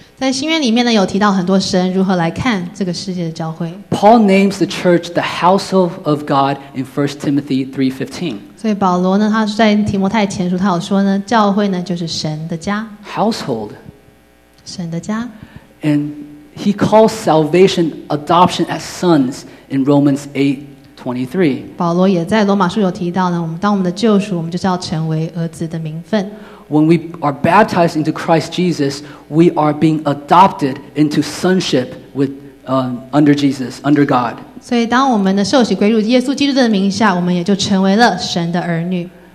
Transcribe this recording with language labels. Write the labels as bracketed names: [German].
[Chinese] 在新约里面呢，有提到很多神如何来看这个世界的教会。 [English] Paul names the church the household of God in 1 Timothy 3:15. [Chinese] 所以保罗呢，他在提摩太前书，他有说呢，教会呢就是神的家。 [English] Household. [Chinese] 神的家。 [English] And he calls salvation adoption as sons in Romans 8:23. [Chinese] 保罗也在罗马书有提到呢，我们当我们的救赎，我们就是要成为儿子的名分。 [English] When we are baptized into Christ Jesus, we are being adopted into sonship with, under Jesus, under God. [Chinese] 所以当我们的受洗归入耶稣基督的名下，我们也就成为了神的儿女。